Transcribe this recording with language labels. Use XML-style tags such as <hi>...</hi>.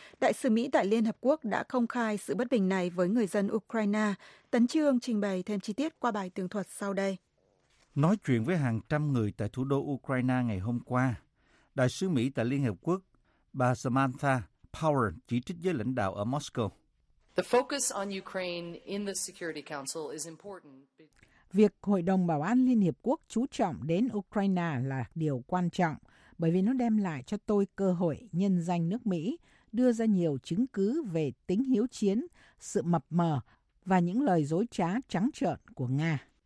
<vi>Đại sứ Mỹ tại Liên Hợp Quốc đã công khai sự bất bình này với người dân Ukraine. Tấn Trương trình bày thêm chi tiết qua bài tường thuật sau đây. Nói chuyện với hàng trăm người tại thủ đô Ukraine ngày hôm qua, Đại sứ Mỹ tại Liên Hợp Quốc, bà Samantha Power chỉ trích giới lãnh đạo ở Moscow.</vi> <en>The focus on Ukraine in the Security Council is important.</en> <vi>Việc Hội đồng Bảo an Liên Hiệp Quốc chú trọng đến Ukraine là điều quan trọng bởi vì nó đem lại cho tôi cơ hội nhân danh nước Mỹ đưa ra nhiều chứng cứ về tính hiếu chiến, sự mập mờ và những lời dối trá trắng trợn của Nga.</vi>